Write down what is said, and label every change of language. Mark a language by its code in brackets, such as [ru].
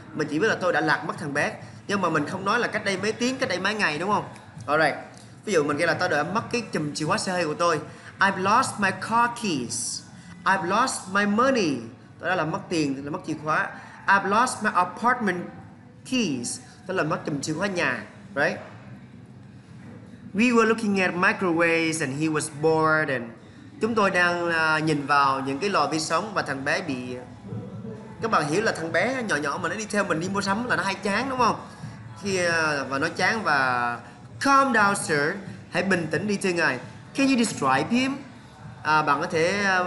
[vi] Mình chỉ biết là tôi đã lạc mất thằng bé, nhưng mà mình không nói là cách đây mấy tiếng, cách đây mấy ngày, đúng không? Alright. Ví dụ mình kêu là tôi đã mất cái chùm chìa khóa xe hơi của tôi. [en] I've lost my car keys. I've lost my money. [vi] Tôi đã làm mất tiền, là mất chìa khóa. [en] I've lost my apartment keys. [vi] Tôi là mất chùm chìa khóa nhà. [en] Right? We were looking at microwaves and he was bored. [vi] And chúng tôi đang nhìn vào những cái lò vi sóng và thằng bé bị... Các bạn hiểu là thằng bé nhỏ nhỏ mà nó đi theo mình đi mua sắm là nó hay chán, đúng không? Khi và nó chán và... [en] Calm down, sir. [vi] Hãy bình tĩnh đi thưa ngài. [en] Can you describe him? [vi] Bạn có thể...